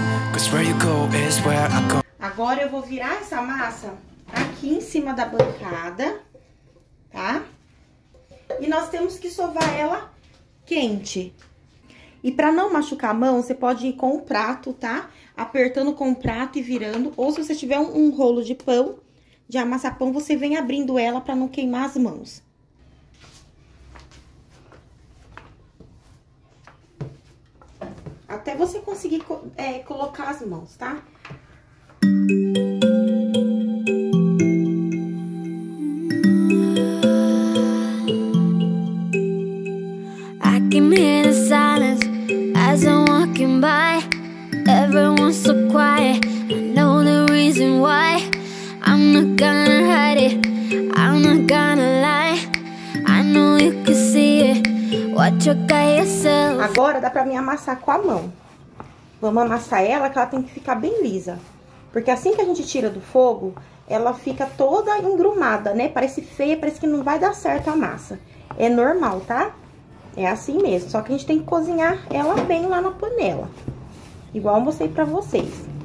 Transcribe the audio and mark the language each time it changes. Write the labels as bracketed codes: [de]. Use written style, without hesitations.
[en] 'Cause where you go is where I go. [pt] Agora eu vou virar essa massa aqui em cima da bancada, tá? E nós temos que sovar ela quente. E para não machucar a mão, você pode ir com o prato, tá? Apertando com o prato e virando. Ou se você tiver um rolo de pão, de amassar pão, você vem abrindo ela para não queimar as mãos. Até você conseguir colocar as mãos, tá? [en] I can hear the silence as I'm walking by. Everyone's so quiet. I know the reason why. I'm not gonna hide it. I'm not gonna lie. I know you can see it. Watch your guy yourself. [pt] Agora dá pra me amassar com a mão. Vamos amassar ela, que ela tem que ficar bem lisa. Porque assim que a gente tira do fogo, ela fica toda engrumada, né? Parece feia, parece que não vai dar certo a massa. É normal, tá? É assim mesmo. Só que a gente tem que cozinhar ela bem lá na panela. Igual eu mostrei pra vocês.